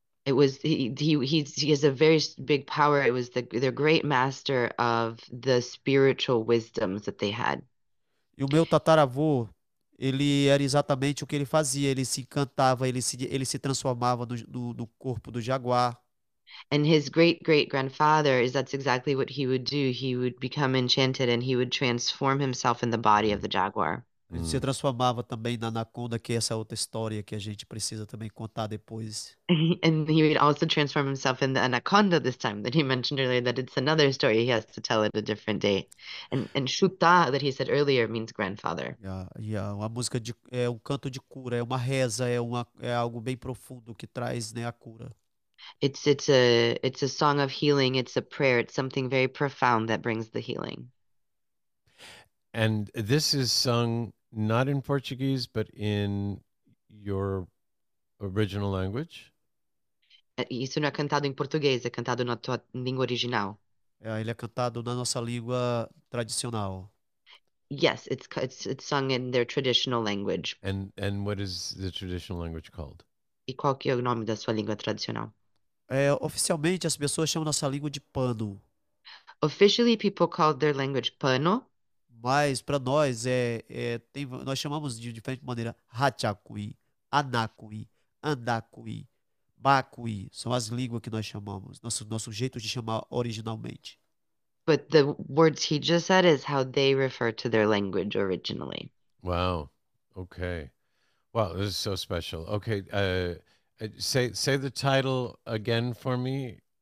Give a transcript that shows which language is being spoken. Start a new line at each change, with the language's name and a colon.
English: It was he has a very big power. It was their great master of the spiritual wisdoms that they had.
Portuguese: E o meu tataravô, ele era exatamente o que ele fazia. Ele se encantava, ele se transformava no corpo do jaguar.
English: And his great great grandfather is that's exactly what he would do. He would become enchanted and he would transform himself in the body of the jaguar.
Portuguese: Ele se transformava também na anaconda, que é essa outra história que a gente precisa também contar depois.
English: And he would also transform himself in the anaconda this time that he mentioned earlier, that it's another story he has to tell at a different day. And Chuta, that he said earlier, means grandfather. Yeah.
Portuguese: Uma música de, é um canto de cura, é uma reza, é algo bem profundo que traz, né, a cura.
English: It's a song of healing, it's a prayer, it's something very profound that brings the healing. And this is sung not in Portuguese, but in your original language?
Portuguese: Isso não é cantado em português, é cantado na tua língua original. Ele é cantado na nossa língua tradicional.
English: Yes, it's sung in their traditional language. And what is the traditional language called?
Portuguese: E qual que é o nome da sua língua tradicional? Oficialmente, as pessoas chamam nossa língua de Pano.
English: Officially, people call their language Pano.
Portuguese: Mas para nós nós chamamos de diferente maneira Hachakui, Anakui, Andakui, Bakui, são as línguas que nós chamamos, nosso jeito de chamar originalmente.
English: But the words he just said is how they refer to their language originally. Wow. Okay. Wow, this is so special. Okay, say the title again for me.